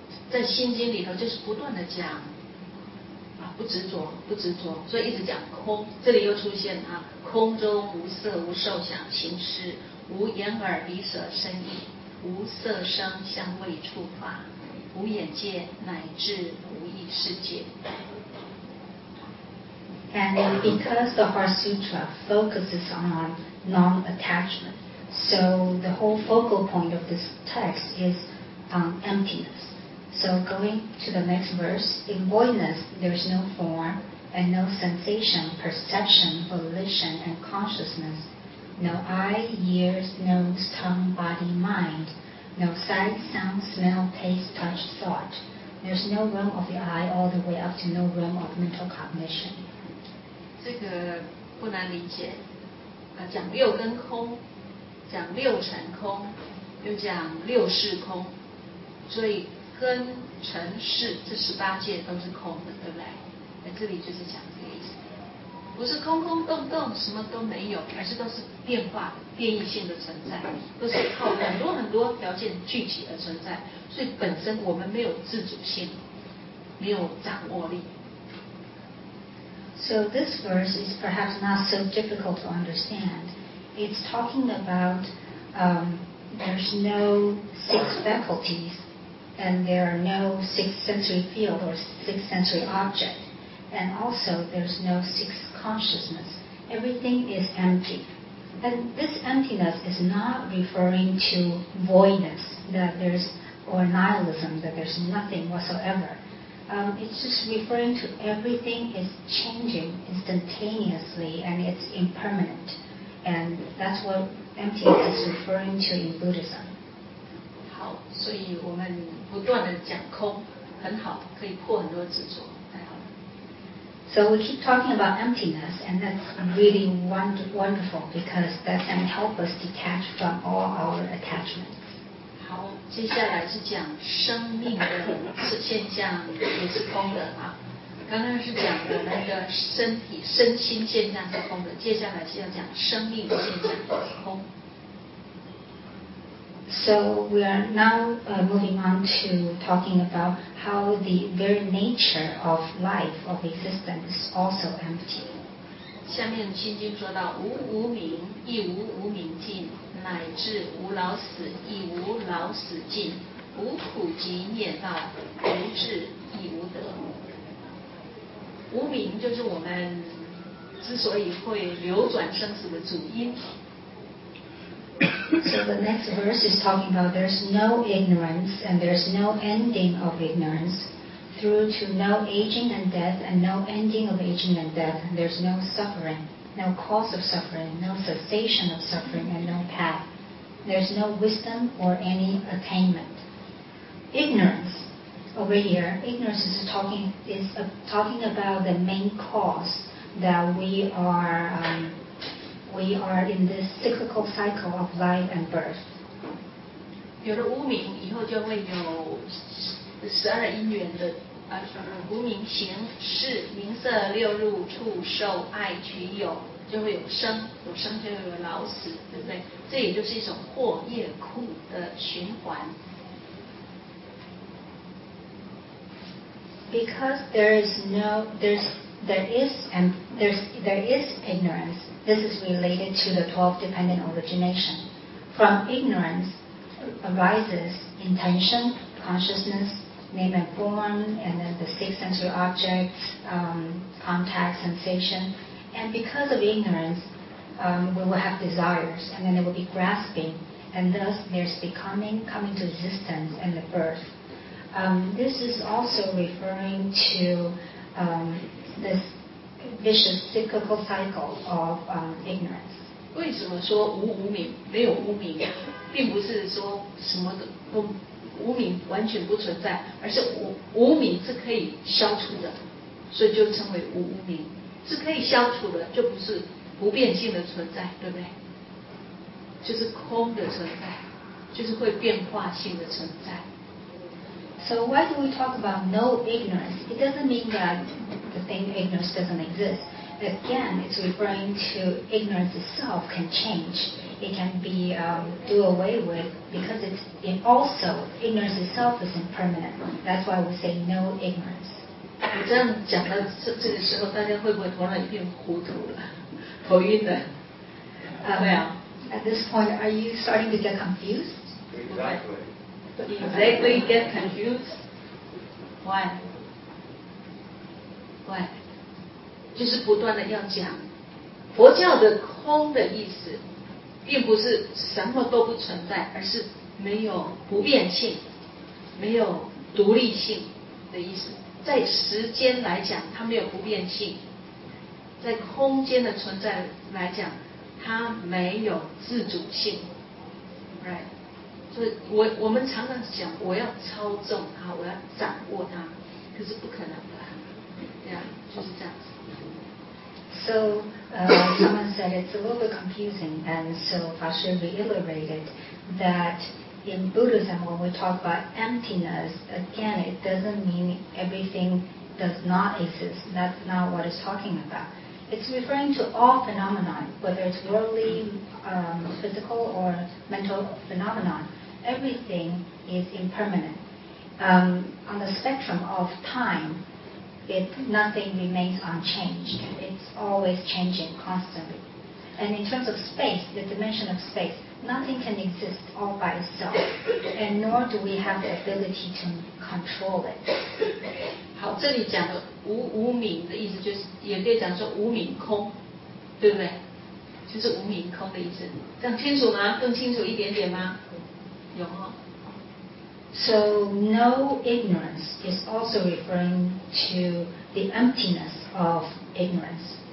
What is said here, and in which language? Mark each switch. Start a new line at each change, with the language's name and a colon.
Chinese: 在心经里头就是不断的讲不执着，不执着，所以一直讲空。这里又出现啊，空中无色无受想行识，无眼耳鼻舌身意，无色声香味触法，无眼界乃至无意识界。
English: And because the Heart Sutra focuses on non-attachment, so the whole focal point of this text is on emptiness. So going to the next verse, in voidness, there is no form and no sensation, perception, volition, and consciousness. No eye, ears, nose, tongue, body, mind. No sight, sound, smell, taste, touch, thought. There's no realm of the eye all the way up to no realm of mental cognition.
Chinese: 这个不难理解。讲六根空，讲六尘空，又讲六识空，所以根尘世这十八界都是空的，对不对？在这里就是讲这个意思，不是空空洞洞什么都没有，而是都是变化变异性的存在，都是靠很多很多条件聚集而存在，所以本身我们没有自主性，没有掌握力。
English: So this verse is perhaps not so difficult to understand. It's talking about there's no six faculties. And there are no six sensory field or six sensory object. And also there's no six consciousness. Everything is empty. And this emptiness is not referring to voidness, that there's, or nihilism, that there's nothing whatsoever. It's just referring to everything is changing instantaneously and it's impermanent. And that's what emptiness is referring to in Buddhism.
Chinese: 所以我们不断的讲空很好可以破很多执着
English: So we keep talking about emptiness and that's really wonderful because that can help us detach from all our attachments
Chinese: 好接下来是讲生命的现象也是空的啊刚刚是讲的那个身体身心现象是空的接下来是要讲生命的现象是空
English: So we are now moving on to talking about how the very nature of life, of existence, is also empty.
Chinese: 下面心经说到无无明亦无无明尽，乃至无老死亦无老死尽，无苦集灭道，无智亦无得。无明就是我们之所以会流转生死的主因。
English: So the next verse is talking about there's no ignorance and there's no ending of ignorance. Through to no aging and death and no ending of aging and death, there's no suffering, no cause of suffering, no cessation of suffering, and no path. There's no wisdom or any attainment. Ignorance, over here, ignorance is talking about the main cause that we are in this cyclical cycle of life and birth.
Chinese: 有了无明，以后就会有十二因缘的无明行识名色六入畜受爱取有，就会有生，有生就有老死，对不对？这也就是一种祸业苦的循环。
English: Because there is ignorance. This is related to the 12 dependent origination. From ignorance arises intention, consciousness, name and form, and then the six sensory objects, contact, sensation. And because of ignorance, we will have desires, and then there will be grasping, and thus there's becoming, coming to existence, and the birth. This is also referring to this vicious cyclical cycle of ignorance.
Chinese: 为什么说无无明，没有无明，并不是说什么都不无明完全不存在，而是 无明是可以消除的，所以就称为无无明，是可以消除的，就不是不变性的存在，对不对？就是空的存在，就是会变化性的存在。
English: So why do we talk about no ignorance? It doesn't mean that the thing ignorance doesn't exist. Again, it's referring to ignorance itself can change. It can be do away with because it also, ignorance itself is impermanent. That's why we say no ignorance.
Chinese: 我这样讲到这个时候，大家会不会突然一片糊涂了？头晕的？对啊。
English: At this point, are you starting to get confused? Exactly. Exactly get confused. Why? Why?
Chinese: 就是不断的要讲佛教的空的意思并不是什么都不存在，而是没有不变性，没有独立性的意思。在时间来讲它没有不变性，在空间的存在来讲它没有自主性，
English: right?
Chinese: 所以我们常常讲我要操纵它，我要掌握它，可是不可能的，对啊，就是这样子。
English: So, someone said it's a little bit confusing, and so Fa Shi reiterated that in Buddhism, when we talk about emptiness, again, it doesn't mean everything does not exist. That's not what it's talking about. It's referring to all phenomena, whether it's worldly, physical, or mental phenomena. Everything is impermanent. On the spectrum of time, nothing remains unchanged. It's always changing constantly. And in terms of space, the dimension of space, nothing can exist all by itself, and nor do we have the ability to control it.
Chinese: 好，这里讲的无明的意思就是，也可以讲说无明空，对不对？就是无明空的意思，这样清楚吗？更清楚一点点吗？有吗？
English: So no ignorance is also referring to the emptiness of ignorance.